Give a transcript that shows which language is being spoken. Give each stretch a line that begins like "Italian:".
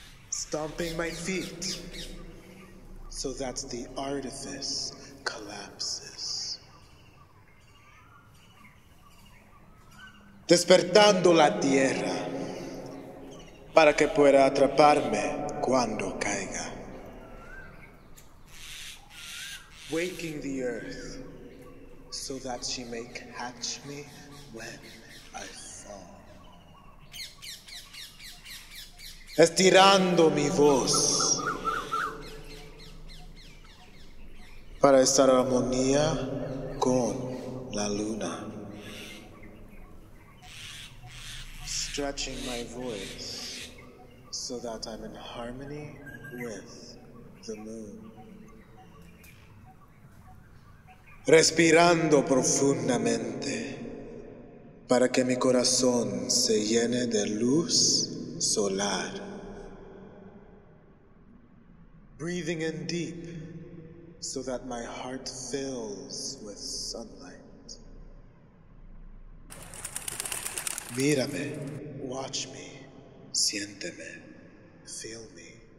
English: Stomping my feet so that the artifice collapses.
Spanish: Despertando la tierra para que pueda atraparme cuando caiga.
English: Waking the earth so that she may catch me when I fall.
Spanish: Estirando mi voz para estar en armonía con la luna.
English: Stretching my voice so that I'm in harmony with the moon.
Spanish: Respirando profundamente para que mi corazón se llene de luz solar.
English: Breathing in deep so that my heart fills with sunlight.
Spanish: Mírame,
English: watch me,
Spanish: siénteme,
English: feel me.